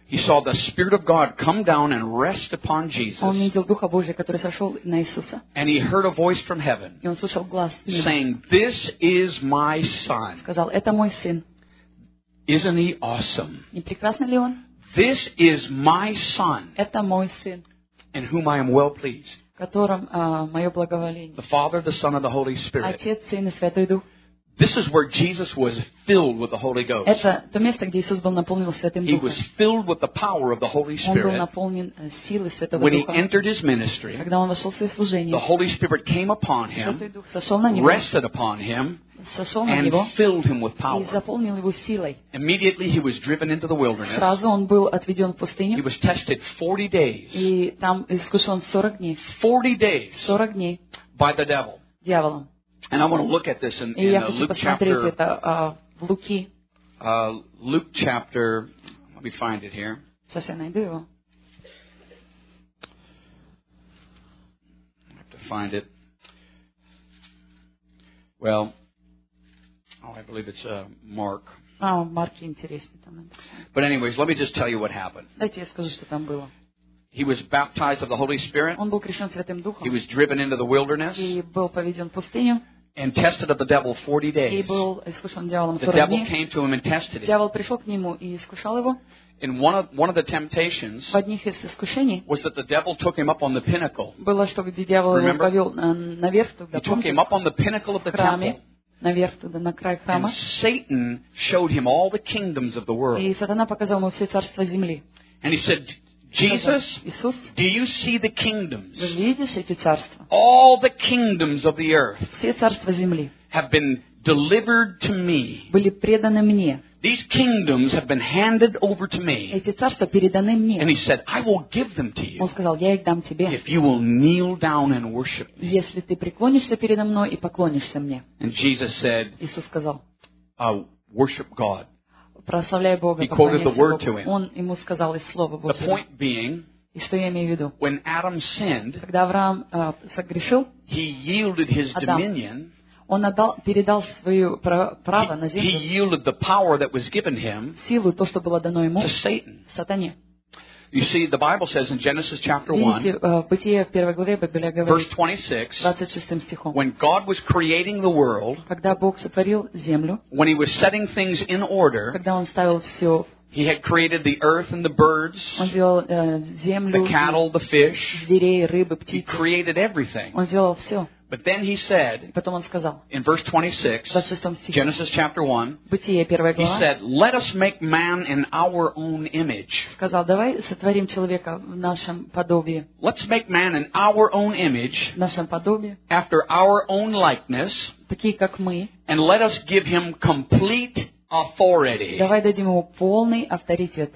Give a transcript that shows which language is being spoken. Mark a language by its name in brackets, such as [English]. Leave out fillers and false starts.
[English] He saw the Spirit of God come down and rest upon Jesus. [Russian] Он видел Духа Божия, который сошел на Иисуса. [English] And he heard a voice from heaven. [Russian] И он слышал глас с неба. [English] Saying, "This is my son." [Russian] Сказал, это мой сын. [English] Isn't he awesome? [Russian] Не прекрасно ли он? [English] This is my son. [Russian] Это мой сын. [English] In whom I am well pleased. [Russian] Которым мое благоволение. [English] The Father, the Son, and the Holy Spirit. [Russian] Отец, сын и Святой Дух. [English] This is where Jesus was filled with the Holy Ghost. [Russian] Это то место, где Иисус был наполнен Святым Духом. [English] He was filled with the power of the Holy Spirit. [Russian] Он был наполнен силой Святого Духа. [English] When he entered his ministry, [Russian] когда он вошел в свое служение, [English] the Holy Spirit came upon him, [Russian] Святой Дух сошел на него, [English] rested upon him, [Russian] сошел на [English] and [Russian] него, [English] filled him with power. [Russian] И заполнил его силой. [English] Immediately he was driven into the wilderness. [Russian] Сразу он был отведен в пустыню. [English] He was tested 40 days. [Russian] И там искушен 40 дней. [English] 40 days. [Russian] 40 дней. [English] By the devil. [Russian] Дьяволом. [English] And I want to look at this in Luke chapter. [Russian] Это, Луки. [English] Luke chapter. Let me find it here. [Russian] Сейчас я найду его. [English] I have to find it. Well, I believe it's Mark. [Russian] Марк интересный там. [English] But anyways, let me just tell you what happened. [Russian] Дайте я скажу, что там было. [English] He was baptized of the Holy Spirit. [Russian] Он был крещен Святым Духом. [English] He was driven into the wilderness. [Russian] И был поведен в пустыню. [English] And tested of the devil 40 days. [Russian] И был искушен дьяволом 40 дней. [English] The devil came to him and tested him. [Russian] Дьявол пришел к нему и искушал его. [English] And one of the temptations [Russian] в одних из искушений [English] was that the devil took him up on the pinnacle. [Russian] Было, что где дьявол его повел наверх туда. [English] He took him up on the pinnacle of the temple. [Russian] Наверх туда, на край храма. [English] And Satan showed him all the kingdoms of the world. [Russian] И сатана показал ему все царства земли. [English] And he said, Jesus, [Russian] Иисус, [English] do you see the kingdoms? [Russian] Вы видишь эти царства? [English] All the kingdoms of the earth [Russian] все царства земли [English] have been delivered to me. [Russian] Были преданы мне. [English] These kingdoms have been handed over to me. [Russian] Эти царства переданы мне. [English] And he said, I will give them to you. [Russian] Он сказал, я их дам тебе. [English] If you will kneel down and worship me. [Russian] Если ты преклонишься передо мной и поклонишься мне. [English] And Jesus said, [Russian] Иисус сказал, [English] I worship God. [Russian] Прославляй Бога, поклоняйся Богу. Он ему сказал из слова Божьего. [English] The point being, [Russian] и что я имею в виду? [English] When Adam sinned, [Russian] когда Авраам согрешил, [English] he yielded his dominion. [Russian] Он передал свое право на землю. [English] He yielded the power that was given him. [Russian] Силу, то, что было дано ему. [English] To Satan. [Russian] Сатане. [English] You see, the Bible says in Genesis chapter [Russian] 1, Бытие, в первой главе, Библия говорит, [English] verse 26, [Russian] 26 стихом, [English] when God was creating the world, [Russian] когда Бог сотворил землю, [English] when he was setting things in order, [Russian] когда он ставил все, [English] he had created the earth and the birds, [Russian] он сделал, землю, [English] the cattle, the fish, [Russian] зверей, рыбы, птицы, [English] he created everything. [Russian] Он сделал все. [English] But then he said, [Russian] потом он сказал, [English] in verse 26, [Russian] 26 стихом, [English] Genesis chapter 1, [Russian] Бытие, первая глава, [English] he said, let us make man in our own image. [Russian] Сказал, давай сотворим человека в нашем подобии. [English] Let's make man in our own image, [Russian] в нашем подобии, [English] after our own likeness, [Russian] такие как мы, [English] and let us give him complete authority. [Russian] Давай дадим ему полный авторитет.